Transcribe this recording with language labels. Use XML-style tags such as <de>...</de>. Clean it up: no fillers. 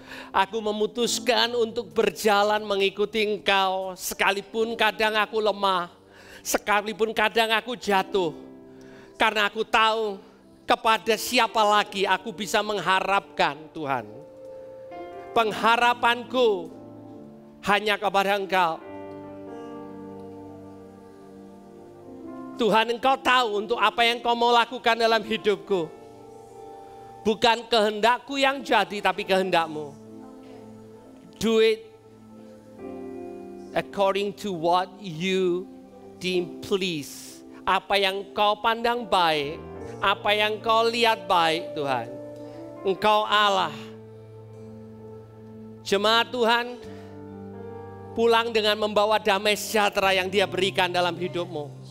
<id>Aku memutuskan untuk berjalan mengikuti Engkau sekalipun kadang aku lemah, sekalipun kadang aku jatuh, karena aku tahu kepada siapa lagi aku bisa mengharapkan, Tuhan. Pengharapanku hanya kepada Engkau. Tuhan, Engkau tahu untuk apa yang Engkau mau lakukan dalam hidupku. Bukan kehendakku yang jadi, tapi kehendak-Mu.</id> <en>Do it according to what you deem please.</en> <id>Apa yang Engkau pandang baik, apa yang Engkau lihat baik, Tuhan. Engkau Allah. Jemaat Tuhan, pulang dengan membawa damai sejahtera yang Dia berikan dalam hidupmu.</id>